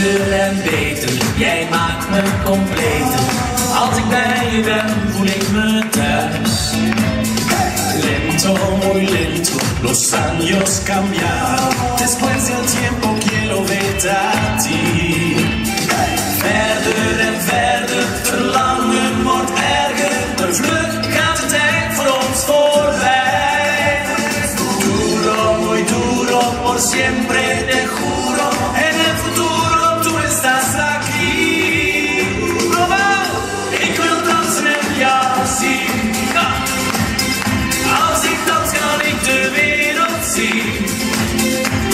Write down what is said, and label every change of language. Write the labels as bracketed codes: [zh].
[nl] ben beter, jij maakt me compleet. Als ik bij je ben, voel ik me thuis. [es] Lento, muy lento, los años cambian. Después del tiempo quiero verte a ti. [nl] Verder en verder, verlangen wordt erger. De vlug gaat de tijd voor ons voorbij. [es] Duro, muy duro, por siempre te juro. En el futuro tú estás aquí. [nl] Mama, ik wil dansen met jou zien. Als ik dans kan ik de wereld zien.